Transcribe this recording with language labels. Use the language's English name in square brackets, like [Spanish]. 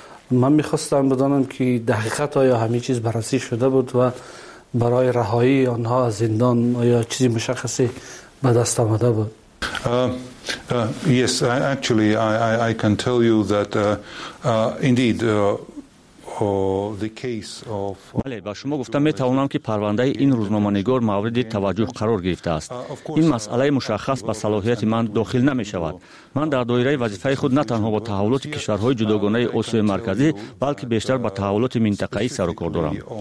[Persian] من میخواستم بدانم که دقیقت آیا همه چیز بررسی شده بود و برای رهایی آنها از زندان آیا چیزی مشخصی به دست آمده بود؟ [English] Yes, actually, I can tell you that indeed. [Persian] بله، به شما گفتم می توانم که پرونده این روزنامه‌نگار مورد توجه قرار گرفته است. این مسئله مشخص به صلاحیت من داخل نمی شود. من در دایره وظیفه خود نه تنها با تحولات کشورهای جداگانه آسیای مرکزی، بلکه بیشتر با تحولات منطقه‌ای سر و کار دارم.